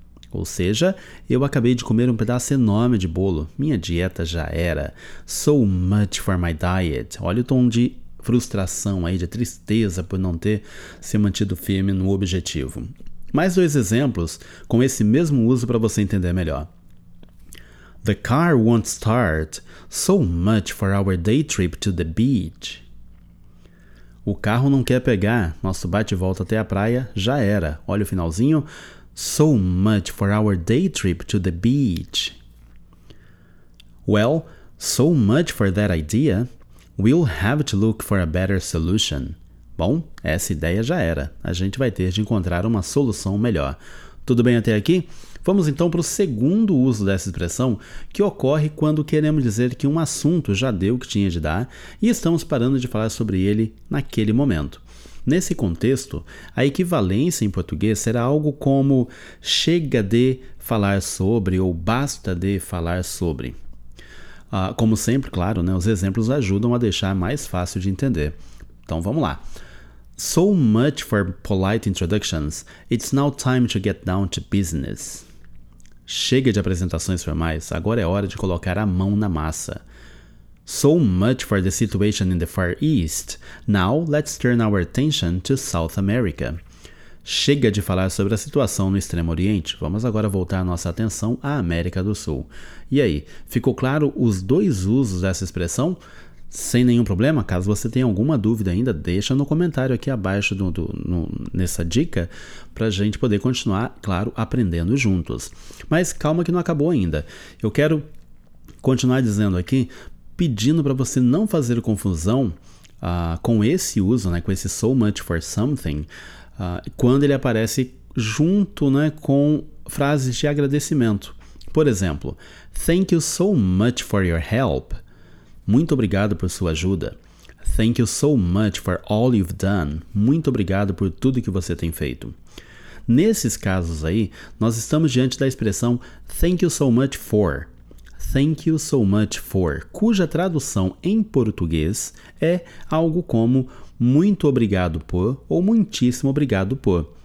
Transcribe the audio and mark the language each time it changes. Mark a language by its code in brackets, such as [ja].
[pt] Ou seja, eu acabei de comer um pedaço enorme de bolo. Minha dieta já era. [en] So much for my diet. [pt] Olha o tom de frustração aí, de tristeza por não ter se mantido firme no objetivo. Mais dois exemplos com esse mesmo uso para você entender melhor. [en] The car won't start. So much for our day trip to the beach. [pt] O carro não quer pegar. Nosso bate-volta até a praia já era. Olha o finalzinho. [en] So much for our day trip to the beach. Well, so much for that idea. We'll have to look for a better solution. [pt] Bom, essa ideia já era. A gente vai ter de encontrar uma solução melhor. Tudo bem até aqui? Vamos então para o segundo uso dessa expressão, que ocorre quando queremos dizer que um assunto já deu o que tinha de dar e estamos parando de falar sobre ele naquele momento. Nesse contexto, a equivalência em português será algo como chega de falar sobre ou basta de falar sobre. Como sempre, claro, né, os exemplos ajudam a deixar mais fácil de entender. Então vamos lá. [en] So much for polite introductions. It's now time to get down to business. [pt] Chega de apresentações formais. Agora é hora de colocar a mão na massa. [en] So much for the situation in the Far East. Now, let's turn our attention to South America. [pt] Chega de falar sobre a situação no Extremo Oriente. Vamos agora voltar nossa atenção à América do Sul. E aí, ficou claro os dois usos dessa expressão? Sem nenhum problema? Caso você tenha alguma dúvida ainda, deixa no comentário aqui abaixo nessa dica para a gente poder continuar, claro, aprendendo juntos. Mas calma que não acabou ainda. Eu quero continuar dizendo aqui, pedindo para você não fazer confusão com esse uso, né, com esse [en] so much for something, [pt] quando ele aparece junto, né, com frases de agradecimento. Por exemplo, [en] thank you so much for your help. [pt] Muito obrigado por sua ajuda. [en] Thank you so much for all you've done. [pt] Muito obrigado por tudo que você tem feito. Nesses casos aí, nós estamos diante da expressão [en] thank you so much for. Thank you so much for, [pt] cuja tradução em português é algo como muito obrigado por ou muitíssimo obrigado por.